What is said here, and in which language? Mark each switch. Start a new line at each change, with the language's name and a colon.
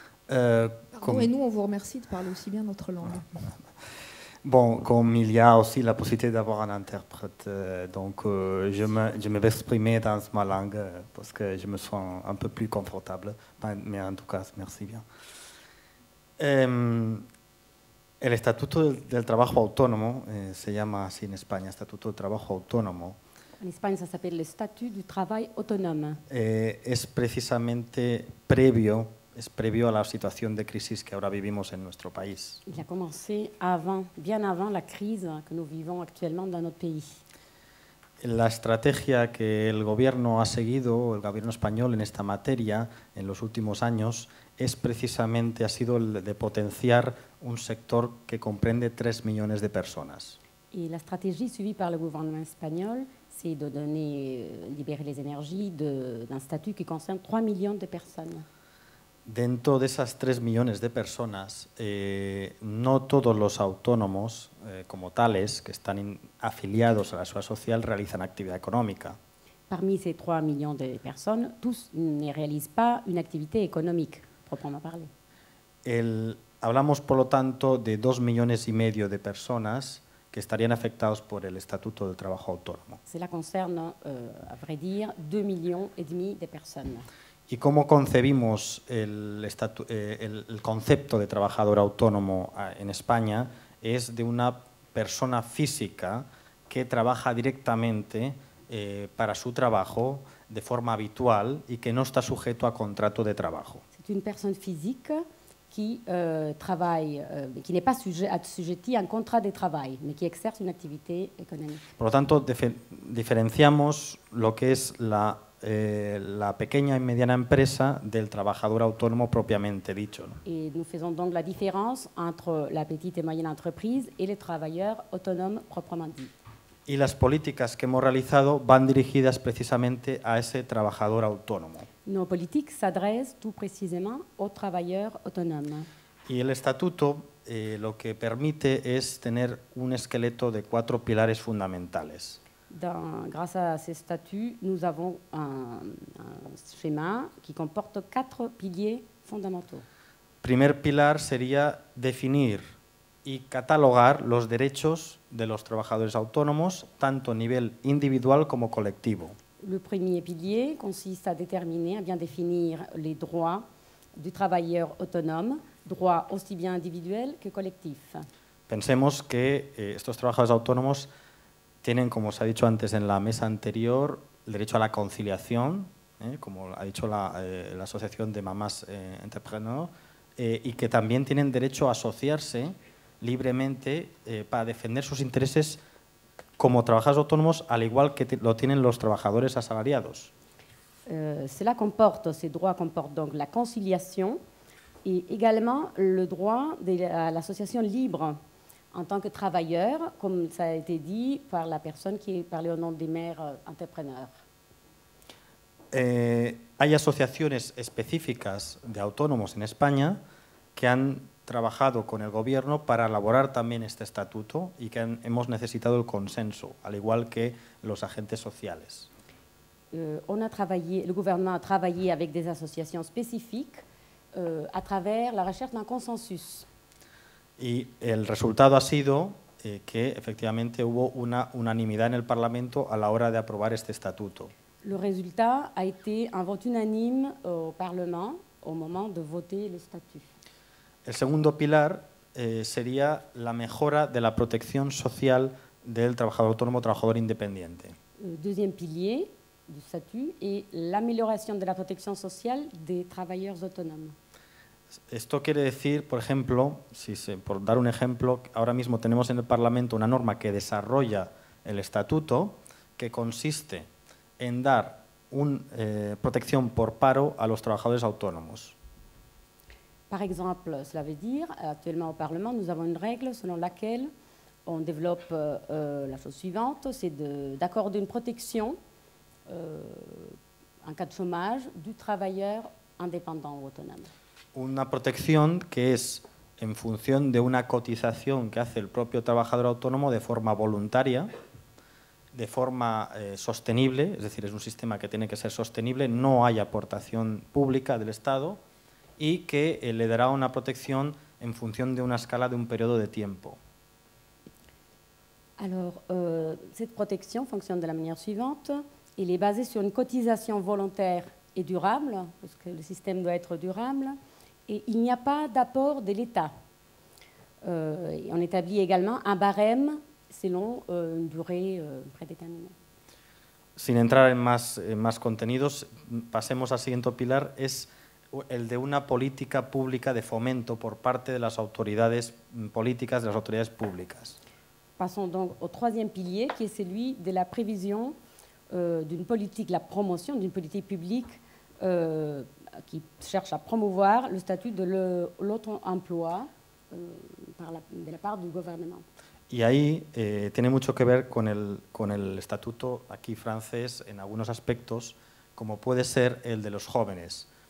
French: Et nous, on vous remercie de parler aussi bien notre langue. Bon, comme il y a aussi la possibilité d'avoir un interprète, je vais exprimer dans ma langue parce que je me sens un peu plus confortable. Mais en tout cas, merci bien.
Spanish: El Estatuto del Trabajo Autónomo se llama así en España, Estatuto del Trabajo Autónomo. En España se llama el Estatuto del Trabajo Autónomo. Es precisamente previo. Es previo a la situación de crisis que ahora vivimos en nuestro país.
French: Il a commencé avant, bien avant la crise que nous vivons actuellement dans notre pays.
Spanish: La estrategia que el gobierno ha seguido, el gobierno español en esta materia, en los últimos años, es precisamente ha sido el de potenciar un sector que comprende 3 millones de personas. Y la estrategia
French: suivie par le gouvernement espagnol, c'est de donner, libérer les énergies d'un statut qui concerne 3 millions de personnes.
Spanish: Dentro de esas 3 millones de personas, no todos los autónomos como tales que están afiliados a la seguridad social realizan actividad económica.
French: Parmi ces 3 millones de personas, tous ne réalisent pas une activité économique, proprement parlé.
Spanish: Hablamos, por lo tanto, de 2 millones y medio de personas que estarían afectados por el Estatuto del Trabajo Autónomo.
French: Cela concerne, à vrai dire, 2 millions et demi de personas.
Spanish: ¿Y cómo concebimos el concepto de trabajador autónomo en España? Es de una persona física que trabaja directamente para su trabajo de forma habitual y que no está sujeto a contrato de trabajo. Es una persona física que trabaja, que no está sujeta a un contrato de trabajo, pero que ejerce una actividad económica. Por lo tanto, diferenciamos lo que es la pequeña y mediana empresa del trabajador autónomo propiamente dicho. Y nos hacemos entonces la diferencia entre la pequeña y mediana empresa y los trabajadores autónomos propiamente dicho. Y las políticas que hemos realizado van dirigidas precisamente a ese trabajador autónomo. Nos políticas se adresan todo precisamente al trabajador autónomo. Y el estatuto lo que permite es tener un esqueleto de 4 pilares fundamentales.
French: Grâce à ces statuts, nous avons un schéma qui comporte 4 piliers fondamentaux.
Spanish: Primer pilar sería definir y catalogar los derechos de los trabajadores autónomos, tanto a nivel individual como colectivo.
French: Le premier pilier consiste à déterminer, à bien définir les droits du travailleur autonome, droits aussi bien individuels que collectifs.
Spanish: Pensemos que estos trabajadores autónomos tienen, como se ha dicho antes en la mesa anterior, el derecho a la conciliación, como ha dicho la Asociación de Mamás Entrepreneurs, y que también tienen derecho a asociarse libremente para defender sus intereses como trabajadores autónomos, al igual que lo tienen los trabajadores asalariados.
French: Cela comporte, ces droits comportent donc la conciliación y également le droit de l'association libre. En tant que travailleur, comme ça a été dit par la personne qui parlait au nom des mères entrepreneurs.
Spanish: Hay asociaciones específicas de autónomos en España que han trabajado con el gobierno para elaborar también este estatuto y que hemos necesitado el consenso, al igual que los agentes sociales.
French: Le gouvernement a travaillé avec des associations spécifiques à travers la recherche d'un consensus.
Spanish: Y el resultado ha sido que efectivamente hubo una unanimidad en el Parlamento a la hora de aprobar este estatuto.
French: Le résultat a été un vote unanime au Parlement au moment de voter le statut.
Spanish: El segundo pilar sería la mejora de la protección social del trabajador autónomo, trabajador independiente.
French: El deuxième pilier du statut est l'amélioration de la protection sociale des travailleurs autonomes.
Spanish: Esto quiere decir, por ejemplo, por dar un ejemplo, ahora mismo tenemos en el Parlamento una norma que desarrolla el estatuto que consiste en dar protección por paro a los trabajadores autónomos. Por ejemplo,
French: cela veut dire, actuellement au Parlement, nous avons une règle selon laquelle on développe la chose suivante, c'est d'accorder une protection en cas de chômage du travailleur indépendant ou autonome.
Spanish: Una protección que es en función de una cotización que hace el propio trabajador autónomo de forma voluntaria, de forma sostenible, es decir, es un sistema que tiene que ser sostenible, no hay aportación pública del Estado y que le dará una protección en función de una escala de un periodo de tiempo.
French: Alors, cette protection fonctionne de la manière suivante. Elle est basée sur une cotisation volontaire et durable, parce que le système doit être durable, et il n'y a pas d'apport de l'État. On établit également un barème selon une durée prédéterminée.
Spanish: Sin entrar en más contenidos, pasemos al siguiente pilar, es el de una política pública de fomento por parte de las autoridades políticas, de las autoridades públicas.
French: Passons donc au troisième pilier, qui est celui de la prévision d'une politique, la promotion d'une politique publique qui cherche à promouvoir le statut de l'auto-emploi de la part du gouvernement.
Spanish: Y ahí tiene mucho que ver con el estatuto aquí francés en algunos aspectos, como puede ser el de los jóvenes.